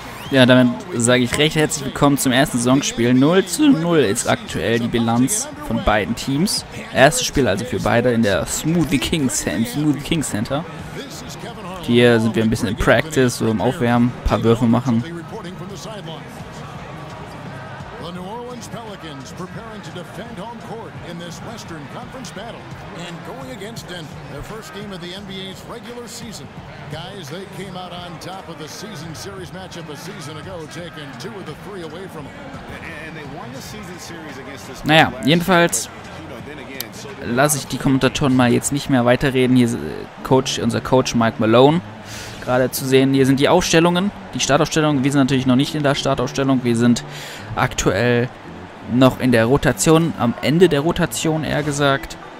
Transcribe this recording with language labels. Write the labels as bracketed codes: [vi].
[de] Ja, damit sage ich recht herzlich willkommen zum ersten Saisonspiel. 0-0 ist aktuell die Bilanz von beiden Teams. Erstes Spiel also für beide in der Smoothie King Center. Hier sind wir ein bisschen in Practice, so im Aufwärmen, ein paar Würfe machen. [en] The New Orleans Pelicans preparing to defend home court in this Western Conference battle and going against Denver, their first game of the NBA's regular season. Guys, they came out on top of the season series matchup a season ago, taking two of the three away from them. And they won the season series against this. [de] Naja, jedenfalls lasse ich die Kommentatoren mal jetzt nicht mehr weiterreden. Hier Coach, unser Coach Mike Malone gerade zu sehen. Hier sind die Aufstellungen, die Startaufstellungen. Wir sind natürlich noch nicht in der Startaufstellung. Wir sind aktuell noch in der Rotation, am Ende der Rotation eher gesagt.